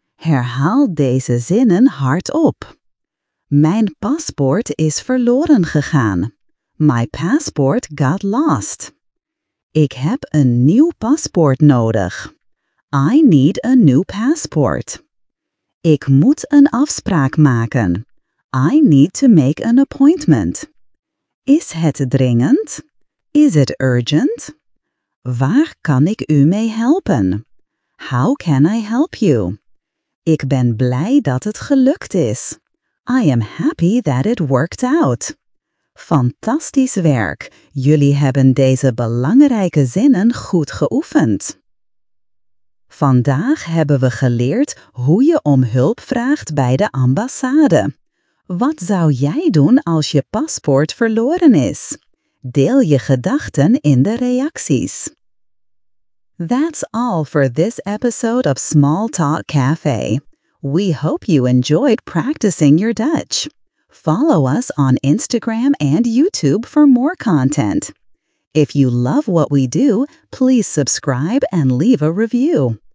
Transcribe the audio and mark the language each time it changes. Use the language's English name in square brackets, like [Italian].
[Dutch] Herhaal deze zinnen hardop. Mijn paspoort is verloren gegaan. [English] My passport got lost. [Dutch] Ik heb een nieuw paspoort nodig. [English] I need a new passport. [Dutch] Ik moet een afspraak maken. [English] I need to make an appointment. [Dutch] Is het dringend? [English] Is it urgent? [Dutch] Waar kan ik u mee helpen? [English] How can I help you? [Dutch] Ik ben blij dat het gelukt is. [English] I am happy that it worked out. [Dutch] Fantastisch werk. Jullie hebben deze belangrijke zinnen goed geoefend. Vandaag hebben we geleerd hoe je om hulp vraagt bij de ambassade. Wat zou jij doen als je paspoort verloren is? Deel je gedachten in de reacties. [English] That's all for this episode of Small Talk Cafe. We hope you enjoyed practicing your Dutch. Follow us on Instagram and YouTube for more content. If you love what we do, please subscribe and leave a review.